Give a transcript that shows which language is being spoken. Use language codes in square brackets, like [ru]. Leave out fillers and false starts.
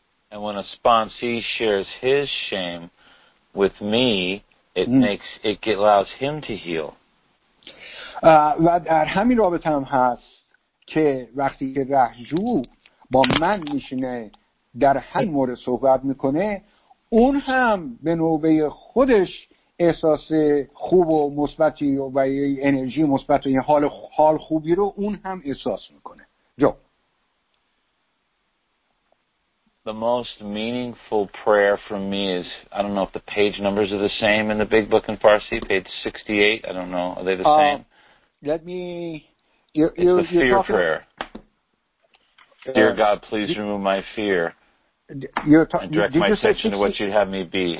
[en] And when a sponsee shares his shame with me, it makes it allows him to heal. [fa] و در همین رابطه هم هست که وقتی که رهجو با من میشینه در همین مورد صحبت میکنه، اون هم به نوبه خودش احساس خوب و مثبتی و یا انرژی مثبت و یا حال خوبی رو اون هم احساس میکنه. جو [en] The most meaningful prayer for me is, I don't know if the page numbers are the same in the big book in Farsi, page 68, I don't know, are they the same? Let me... It's the fear prayer. Dear God, please remove my fear and direct my attention to what you'd have me be.